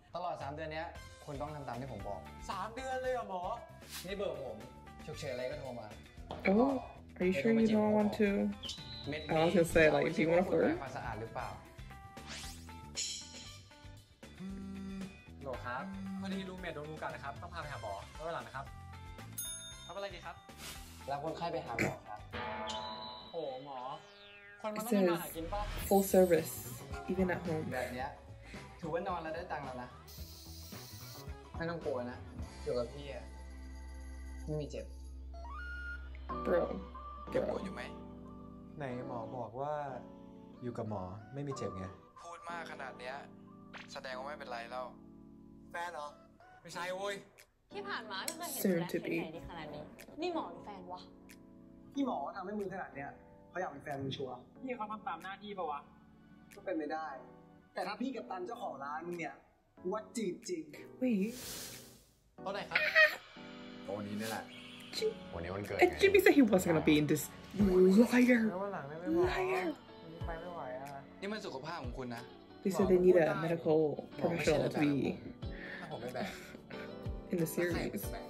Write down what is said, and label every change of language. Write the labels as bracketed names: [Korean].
[Thai] ตลอด3เดือนนี้คุณต้องทำตามที่ผมบอก 3เดือนเลยเหรอหมอ นี่เบอร์ผมฉุกเฉินอะไรก็โทรมา [English] โอ้ Are you sure you don't want to I was gonna say like if you want to flirt [Thai] สะอาดหรือเปล่า โหลครับพอดีรูเมทโดนงูกัดนะครับต้องพาไปหาหมอแล้ววันหลังนะครับทำอะไรดีครับ รับคนไข้ไปหาหมอครับ โหหมอ [English] It says full service, even at home. [Thai] แบบนี้ถือว่านอนแล้วได้ตังค์แล้วนะไม่ต้องกลัวนะอยู่กับพี่อะไม่มีเจ็บ [English] Bro, [Thai] เก็บปวดอยู่ไหม ไหนหมอบอกว่าอยู่กับหมอไม่มีเจ็บไง พูดมากขนาดนี้แสดงว่าไม่เป็นไรแล้ว แฟนเหรอ ไม่ใช่โว้ย ที่ผ่านมาไม่เคยเห็นแฟนที่ไหนดีขนาดนี้นี่หมอหรือแฟนวะ พี่หมอทำให้มือขนาดนี้เขาอยากเป็นแฟนมึงชัว พี่เขาทำตามหน้าที่ปะวะ ก็เป็นไม่ได้แต่ถ้าพี่กับตันเจ้าของร้านมึงเนี่ยวัดจีบจริง วิ่ ง เท่าไหร่ครับ ตัวนี้นี่แหละวันนี้วันเกิด [English] ไง Jimmy said he wasn't gonna be in this liar liar [Thai] นี่มันสุขภาพของคุณนะ [English] They said they need a medical professional to be in the series